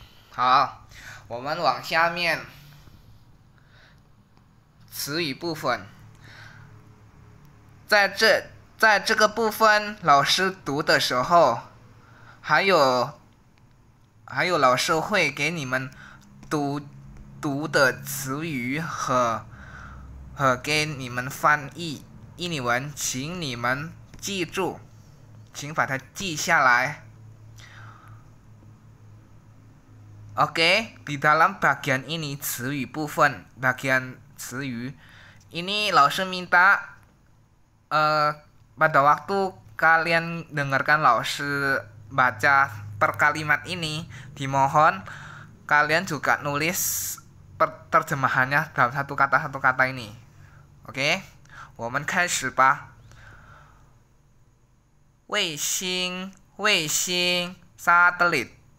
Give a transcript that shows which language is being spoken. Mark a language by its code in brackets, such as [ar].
[zh] 好，我们往下面词语部分，在这个部分，老师读的时候，还有老师会给你们读的词语和给你们翻译。印尼文，请你们记住，请把它记下来。 [id] OK，di dalam bagian ini 词语部分，bagian 词语，ini 老师 minta pada waktu kalian dengarkan 老师 baca per kalimat ini dimohon kalian juga nulis terjemahannya dalam satu kata ini. [zh] OK。 我们开始吧。卫星，satellite。